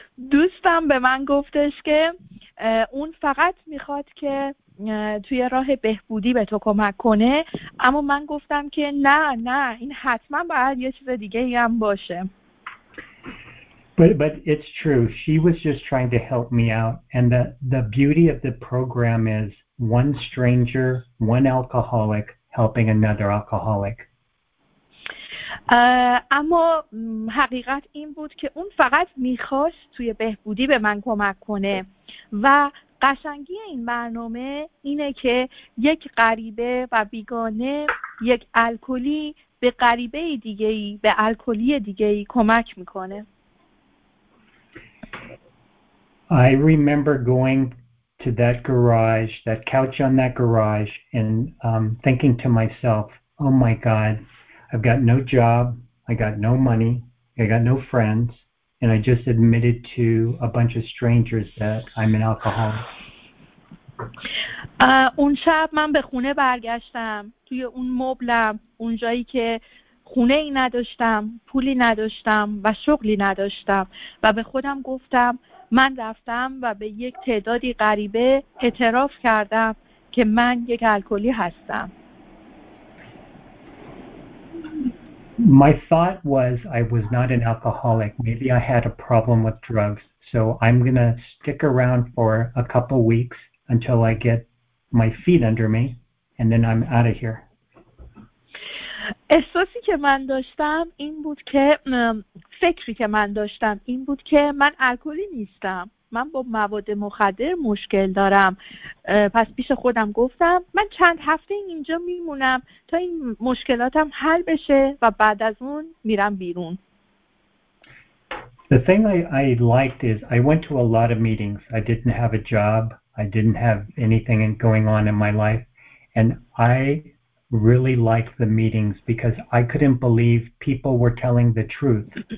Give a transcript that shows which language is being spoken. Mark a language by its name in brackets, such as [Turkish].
[Persian] دوستم به من گفتش که اون فقط میخواد که توی راه بهبودی به تو کمک کنه، اما من گفتم که نه این حتما باید یه چیز دیگه ای هم باشه. [English] But it's true, she was just trying to help me out, and the beauty of the program is one stranger, one alcoholic helping another alcoholic. [Persian] اما حقیقت این بود که اون فقط میخواست توی بهبودی به من کمک کنه و قشنگی این برنامه اینه که یک غریبه و بیگانه، یک الکلی به غریبه دیگه‌ای، به الکلی دیگه‌ای کمک می‌کنه. [English] I remember going to that garage, that couch on that garage, and thinking to myself, oh my God, I've got no job, I got no money, I got no friends. And I just admitted to a bunch of strangers that I'm an alcoholic. [Persian] اون شب من به خونه برگشتم، توی اون مبلم، اون جایی که خونه ای نداشتم، پولی نداشتم و شغلی نداشتم و به خودم گفتم من رفتم و به یک تعدادی غریبه اعتراف کردم که من یک الکلی هستم. [English] My thought was I was not an alcoholic. Maybe I had a problem with drugs. So I'm going to stick around for a couple weeks until I get my feet under me and then I'm out of here. [Persian] احساسی که من داشتم این بود که فکری که من داشتم این بود که من الکلی نیستم. من با مواد مخدر مشکل دارم. پس پیش خودم گفتم من چند هفته اینجا میمونم تا این مشکلاتم حل بشه و بعد از اون میرم بیرون. [English] The thing I liked is I went to a lot of meetings. I didn't have a job. I didn't have anything going on in my life. And I really liked the meetings because I couldn't believe people were telling the truth.